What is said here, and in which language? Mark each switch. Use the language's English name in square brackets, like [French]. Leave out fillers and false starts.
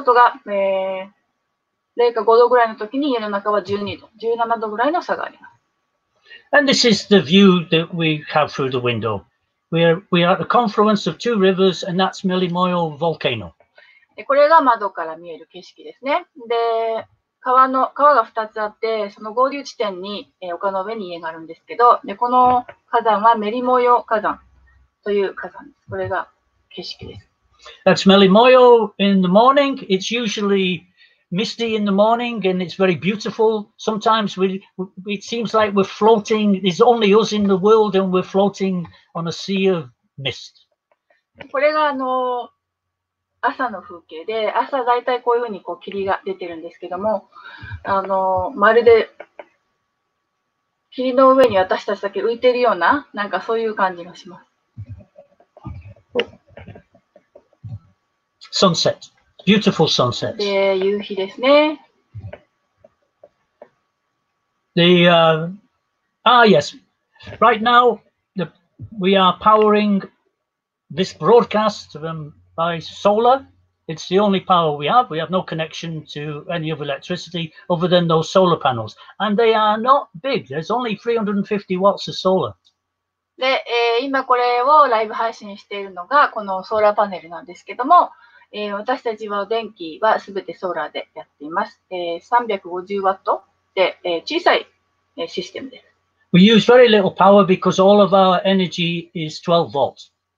[Japanese] 外が、零下5度ぐらいの時に家の中は12度、17度ぐらいの差があります。 [English] And this is the view that we have through the window. We are at the confluence of two rivers, and that's Millimoyo volcano. [Japanese] これが窓から見える景色ですね。で、川が2つあって、その合流地点に、丘の上に家があるんですけど、でこの火山はメリモヨ火山という火山です。これが景色です。 [English] That's Melimoyo in the morning. It's usually misty in the morning and it's very beautiful. Sometimes it seems like we're floating. It's only us in the world and we're floating on a sea of mist. [Japanese] これが朝の風景で、朝だいたいこういうふうにこう霧が出てるんですけども、まるで霧の上に私たちだけ浮いてるような、なんかそういう感じがします。 [English] Sunset. Beautiful sunset. [Japanese] 夕日ですね。 [English] Yes. Right now, we are powering this broadcast by solar. It's the only power we have. We have no connection to any of electricity other than those solar panels. And they are not big. There's only 350 watts of solar. [Japanese] で、今これをライブ配信しているのがこのソーラーパネルなんですけども、私たちは電気はすべてソーラーでやっています。 350W で、小さい、システムです。 [English] We use very little power because all of our energy is 12 volts.